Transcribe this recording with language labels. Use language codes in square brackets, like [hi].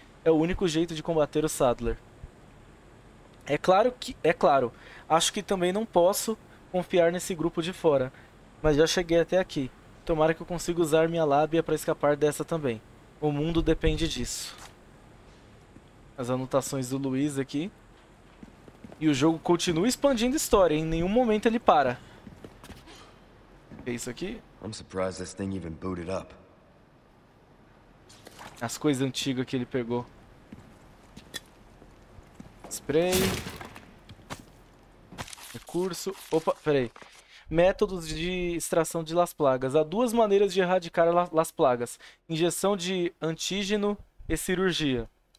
[pt] É o único jeito de combater o Saddler. É claro, acho que também não posso confiar nesse grupo de fora, mas já cheguei até aqui. Tomara que eu consiga usar minha lábia para escapar dessa também. O mundo depende disso. As anotações do Luiz aqui. E o jogo continua expandindo história, em nenhum momento ele para. É isso aqui. [en] I'm surprised this thing even booted up. [pt] As coisas antigas que ele pegou. Spray. Recurso. Opa, peraí. Métodos de extração de Las Plagas. Há duas maneiras de erradicar Las Plagas: injeção de antígeno e cirurgia.